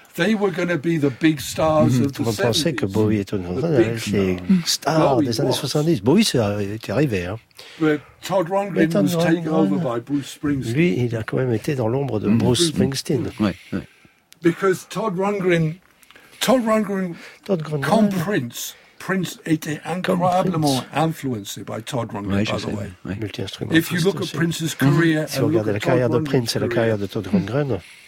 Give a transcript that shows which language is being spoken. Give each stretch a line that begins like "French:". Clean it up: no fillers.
English: They were going to be the big stars of the 70s.
French: On pensait que Bowie et Todd Rundgren étaient les stars des années 70. Bowie s'est arrivé.
English: But Todd Rundgren was taken over by Bruce Springsteen.
French: Lui, il a quand même été dans l'ombre de Bruce Springsteen. Ouais.
English: Because
French: Todd Rundgren, comme Prince était incroyablement influencé
English: by
French: Todd Rundgren, ouais,
English: by the way.
French: Ouais. Multi-instrumentiste.
English: If you look at Prince's career,
French: si vous regardez la carrière de Prince et la carrière de Todd Rundgren.